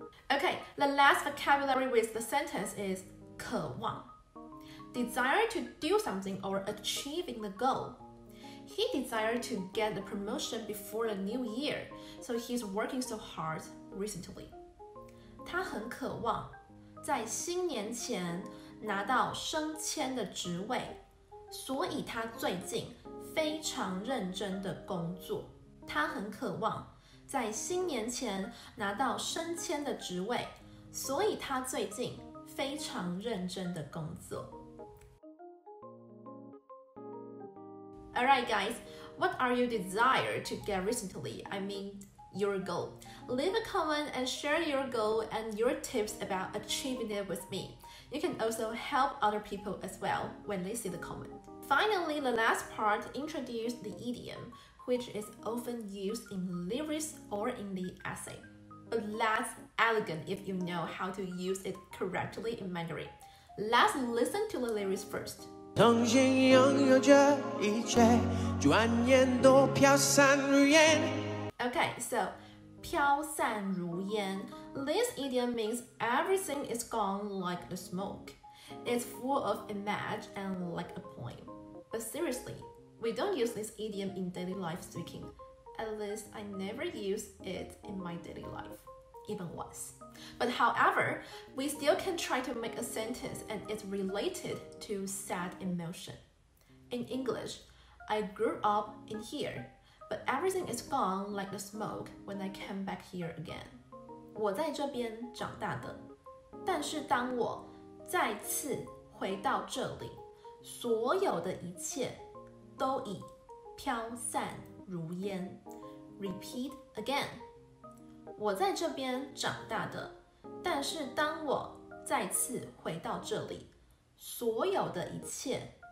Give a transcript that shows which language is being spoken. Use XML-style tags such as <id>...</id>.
<en>Okay, the last vocabulary with the sentence is 渴望。 Desire to do something or achieving the goal. He desired to get the promotion before the new year, so he's working so hard recently.</en> <zh>他很渴望在新年前拿到升迁的职位，所以他最近非常认真的工作。他很渴望在新年前拿到升迁的职位，所以他最近非常认真的工作。</zh> <en>Alright guys, what are your desire to get recently? I mean, your goal. Leave a comment and share your goal and your tips about achieving it with me. You can also help other people as well when they see the comment. Finally, the last part introduced the idiom, which is often used in lyrics or in the essay. But that's elegant if you know how to use it correctly in Mandarin. Let's listen to the lyrics first.</en> <zh>重新拥有这一切，转眼都飘散如烟。</zh> <en>Okay, so 飘散如烟 This idiom means everything is gone like the smoke. It's full of image and like a poem. But seriously, we don't use this idiom in daily life speaking. At least I never use it in my daily life, even once. But however, we still can try to make a sentence and it's related to sad emotion. In English, I grew up in here, but everything is gone like the smoke when I came back here again.</en> <zh>我在这边长大的，但是当我再次回到这里，所有的一切都已飘散如烟。</zh> <en>Repeat again.</en> <zh>我在这边长大的，但是当我再次回到这里，所有的一切</zh>